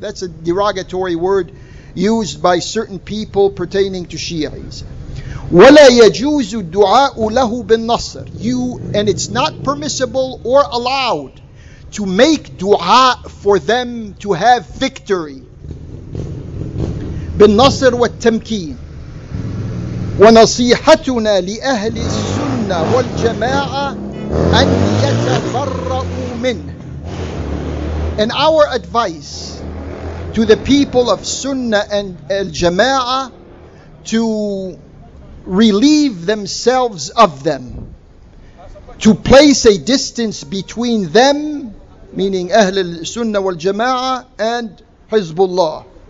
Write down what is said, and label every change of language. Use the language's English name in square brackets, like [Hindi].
[English] That's a derogatory word used by certain people pertaining to Shi'is. [Arabic] وَلَا يَجُوزُ الدُّعَاءُ لَهُ بِالنَّصْرِ. [English] You, and it's not permissible or allowed to make dua for them to have victory. [Arabic] بِالنَّصْرِ وَالتَّمْكِينِ. ونصيحتنا لأهل السنة والجماعة أن يتفرقوا منه. [English] And our advice to the people of Sunnah and Al-Jama'a to relieve themselves of them, to place a distance between them, meaning Ahl al-Sunnah wal-Jama'a and Hezbollah.